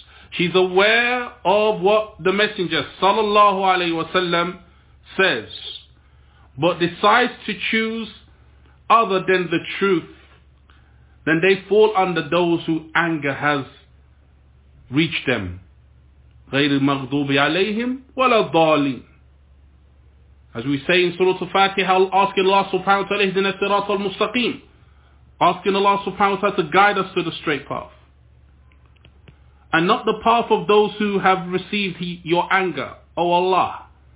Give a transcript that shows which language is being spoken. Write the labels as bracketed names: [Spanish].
[English] She's aware of what the Messenger, sallallahu alayhi wasallam, says. But decides to choose other than the truth, then they fall under those who anger has reach them. [Arabic] غير المغضوب عليهم ولا الضالين. [English] As we say in Surah Al-Fatiha, asking Allah subhanahu wa ta'ala, [Arabic] اهدنا الصراط المستقيم. [English] Asking Allah subhanahu wa ta'ala to guide us to the straight path. And not the path of those who have received your anger, O Allah.